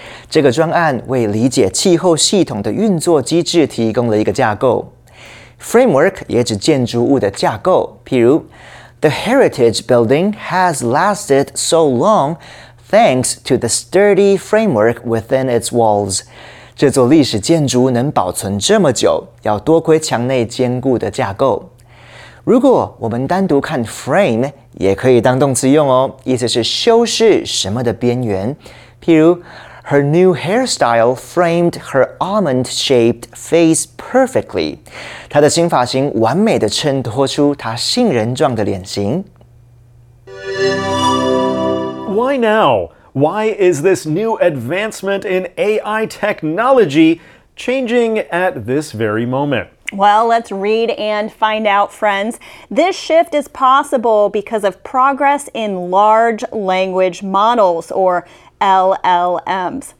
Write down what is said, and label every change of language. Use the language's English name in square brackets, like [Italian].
[Chinese] 这个专案为理解气候系统的运作机制提供了一个架构。 [English] Framework [Chinese] 也指建筑物的架构，譬如 [English] The heritage building has lasted so long thanks to the sturdy framework within its walls. [Chinese] 这座历史建筑能保存这么久，要多亏墙内坚固的架构。如果我们单独看 frame, 也可以当动词用哦，意思是修饰什么的边缘。 [English] 譬如 ,her new hairstyle framed her almond-shaped face perfectly. [Chinese] 她的新发型完美地衬托出她杏仁状的脸型。 [English] Why now? Why is this new advancement in AI technology changing at this very moment? Well, let's read and find out, friends. This shift is possible because of progress in large language models, or LLMs.